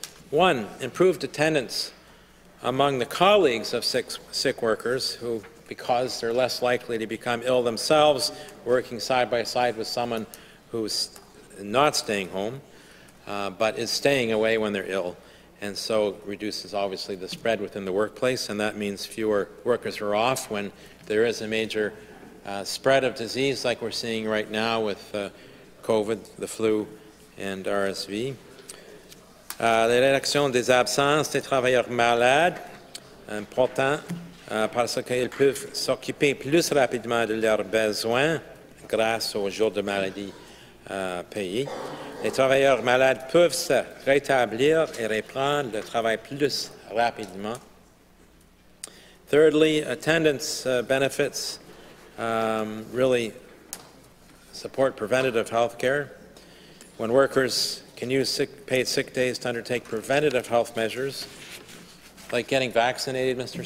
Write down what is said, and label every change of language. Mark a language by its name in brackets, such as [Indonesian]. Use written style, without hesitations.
[English] One, improved attendance among the colleagues of sick workers who, because they're less likely to become ill themselves, working side by side with someone who's not staying home, but is staying away when they're ill, and so reduces obviously the spread within the workplace, and that means fewer workers are off when there is a major spread of disease like we're seeing right now with COVID, the flu, and RSV. [French] La réduction des absences des travailleurs malades important parce qu'ils peuvent s'occuper plus rapidement de leurs besoins grâce aux jours de maladie payés. Les travailleurs malades peuvent se rétablir et reprendre le travail plus rapidement. [English] Thirdly, attendance benefits really support preventative health care. When workers can use paid sick days to undertake preventative health measures, like getting vaccinated, Mr.